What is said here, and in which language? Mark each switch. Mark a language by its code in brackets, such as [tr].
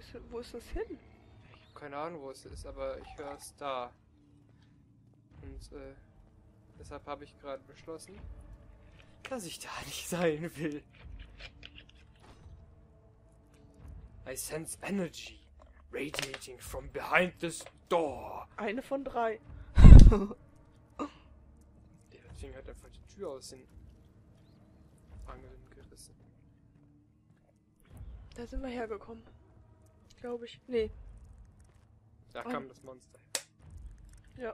[de] Wo ist das hin? Ich hab keine Ahnung, wo es ist, aber ich höre es da. Und deshalb habe ich gerade beschlossen, dass ich da nicht sein will. [en] I sense energy radiating from behind this door. [de] Eine von drei. Der Ding hat einfach die Tür aus den Angeln gerissen. Da sind wir hergekommen. Glaube ich. Nee. Da kam das Monster her.